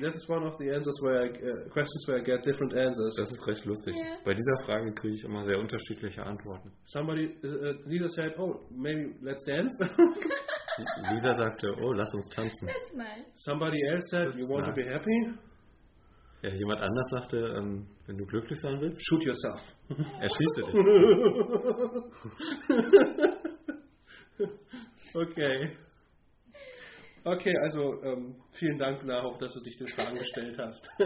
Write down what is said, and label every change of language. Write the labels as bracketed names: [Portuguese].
[English] That is one of the answers where questions where I get different answers. [German] Das ist recht lustig. Yeah. Bei dieser Frage kriege ich immer sehr unterschiedliche Antworten. [English] Somebody, Lisa said, oh, maybe let's dance. [German] Lisa sagte, oh, lass uns tanzen. [English] That's nice. Somebody else said, you want to be happy? [German] Ja, jemand anders sagte, wenn du glücklich sein willst, [English] shoot yourself. [German] Erschieße dich. Okay. Okay, also vielen Dank, Naho, dass du dich den Fragen gestellt hast.